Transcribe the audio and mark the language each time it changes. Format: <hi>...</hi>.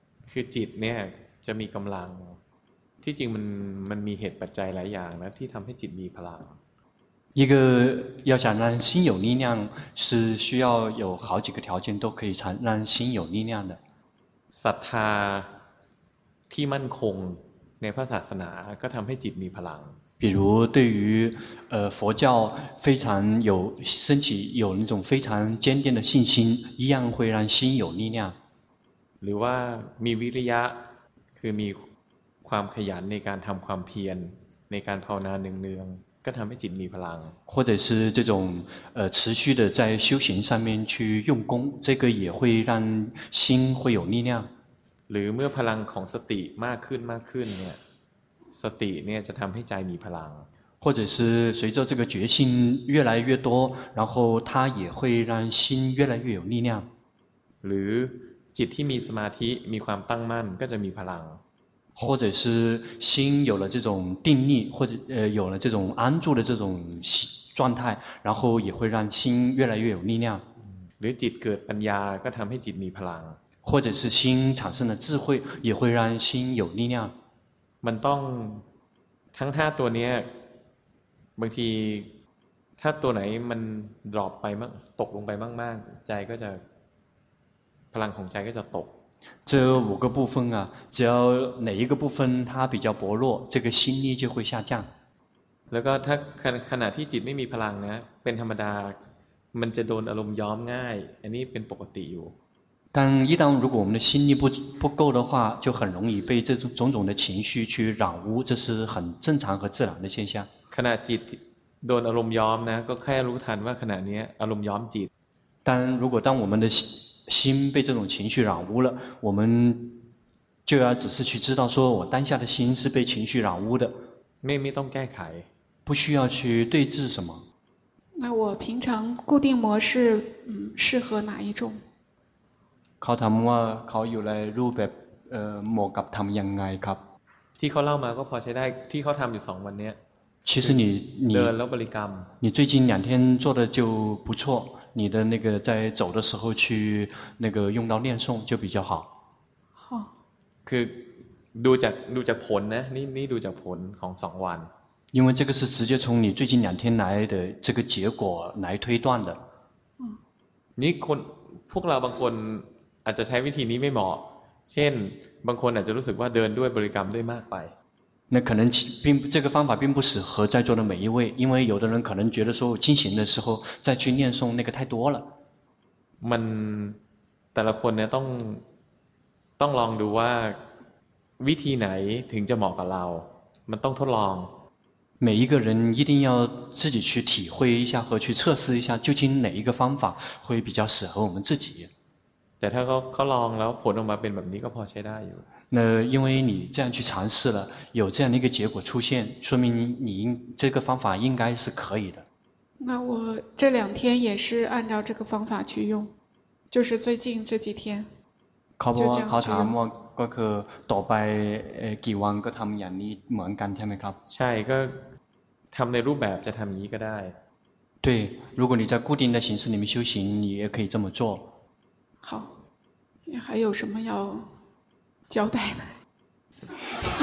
<th>คือจิตเนี่ยจะมีกำลังที่จริงมันมีเหตุปัจจัยหลายอย่างนะที่ทำให้จิตมีพลัง</th> <zh>一个要想让心有力量是需要有好几个条件都可以让心有力量的</zh> <th>ศรัทธาที่มั่นคงในพระศาสนาก็ทำให้จิตมีพลัง</th> <zh>比如对于佛教非常有升起有那种非常坚定的信心一样会让心有力量</zh> <th>หรือว่ามีวิริยะคือมีความขยันในการทำความเพียรในการภาวนาเนืองๆก็ทำให้จิตมีพลัง</th> <zh>或者是这种持续的在修行上面去用功这个也会让心会有力量</zh> <th>หรือเมื่อพลังของสติมากขึ้นมากขึ้นเนี่ยสติเนี่ยจะทำให้ใจมีพลัง</th> <zh>或者是随着这个决心越来越多然后它也会让心越来越有力量</zh> <th>หรือจิตที่มีสมาธิมีความตั้งมั่นก็จะมีพลัง</th> <zh>或者是心有了这种定力或者有了这种安住的这种状态然后也会让心越来越有力量</zh> <th>หรือจิตเกิดปัญญาก็ทำให้จิตมีพลัง</th> <zh>或者是心产生了智慧也会让心有力量</zh> <th>มันต้องทั้ง5ตัวนี้บางทีถ้าตัวไหนมันดรอปไปมากตกลงไปมากๆใจก็จะพลังของใจก็จะตก</th> <zh>这五个部分啊只要哪一个部分它比较薄弱这个心力就会下降</zh> <th>แล้วก็ถ้าขณะที่จิตไม่มีพลังนะเป็นธรรมดามันจะโดนอารมณ์ย้อมง่ายอันนี้เป็นปกติอยู่</th> <zh>但一旦如果我们的心力不够的话就很容易被这种种的情绪去染污这是很正常和自然的现象</zh> <th>ขณะจิตโดนอารมณ์ย้อมนะก็แค่รู้ทันว่าขณะนี้อารมณ์ย้อมจิต</th> <zh>但如果当我们的心被这种情绪染污了我们就要只是去知道说我当下的心是被情绪染污的没动盖凯不需要去对治什么那我平常固定模式适合哪一种</zh> <th>เขาถามว่าเขาอยู่ในรูปแบบเหมาะกับทำยังไงครับ ที่เขาเล่ามาก็พอใช้ได้ที่เขาทำอยู่สองวันนี้</th> <zh>其实你</zh> <th>เดินแล้วบริกรรม</th> <zh>你最近两天做的就不错你的那个在走的时候去那个用到念诵就比较好好</zh> <th>คือดูจากผลนะนี่ดูจากผลของสองวัน</th> <zh>因为这个是直接从你最近两天来的这个结果来推断的</zh> <th>นี่คนพวกเราบางคนอาจจะใช้วิธีนี้ไม่เหมาะเช่นบางคนอาจจะรู้สึกว่าเดินด้วยบริกรรมด้วยมากไป</th> <zh>那可能并这个方法并不适合在座的每一位因为有的人可能觉得说进行的时候再去念诵那个太多了</zh> <th>มันแต่ละคนเนี่ยต้องลองดูว่าวิธีไหนถึงจะเหมาะกับเรามันต้องทดลอง</th> <zh>每一个人一定要自己去体会一下和去测试一下究竟哪一个方法会比较适合我们自己</zh> <th>แต่ถ้าเขาลองแล้วผลออกมาเป็นแบบนี้ก็พอใช้ได้อยู่</th> <zh>那因为你这样去尝试了有这样的一个结果出现说明你这个方法应该是可以的那我这两天也是按照这个方法去用就是最近这几天考不考察我</zh> <th>ก็คือต่อไปกี่วันก็ทำอย่างนี้เหมือนกันใช่ไหมครับ ใช่ก็ทำในรูปแบบจะทำอย่างนี้ก็ได้</th> <zh>对如果你在固定的形式里面修行你也可以这么做好你还有什么要交代的</zh>